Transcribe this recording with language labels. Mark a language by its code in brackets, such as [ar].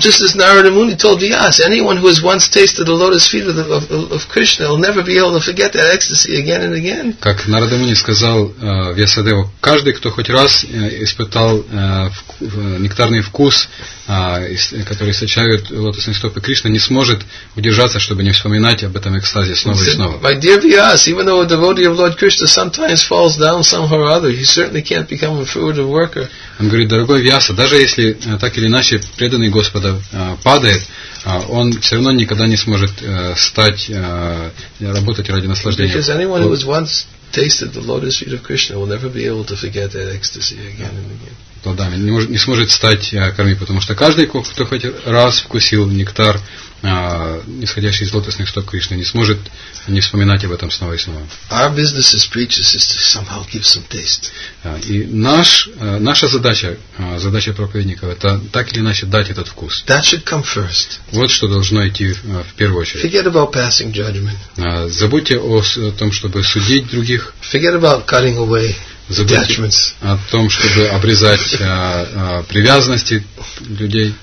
[en] Just as Narada Muni told Vyas, anyone who has once tasted the lotus feet of Krishna will never be able to forget that ecstasy again and again. [ru] Как Нарада Муни сказал Вьясадеву, каждый, кто хоть раз испытал нектарный вкус, который источают лотосные стопы Кришны, не сможет удержаться, чтобы не вспоминать об этом экстазе снова и снова. [en] My dear Vyas, even though a devotee of Lord Krishna sometimes falls down somehow or other, he certainly can't become a fruitive worker. [ru] Он говорит, дорогой Вьяса, даже если так или иначе преданный Господа падает, он все равно никогда не сможет стать работать ради наслаждения. [en] Because anyone who has once tasted the lotus feet of Krishna will never be able to forget that ecstasy again and again. [ru] Плодами, не сможет стать карми, потому что каждый, кто хоть раз вкусил нектар, исходящий из лотосных стоп Кришны, не сможет не вспоминать об этом снова и снова. [en] Our business as preachers is to somehow give some taste. [ru] И наша задача, задача проповедников, это так или иначе дать этот вкус. [en] That should come first. [ru] Вот что должно идти в первую очередь. [en] Forget about passing judgment. [ru] Забудьте о том, чтобы судить других. [en] Forget about cutting away. [ru] Забудьте о том, чтобы обрезать привязанности людей.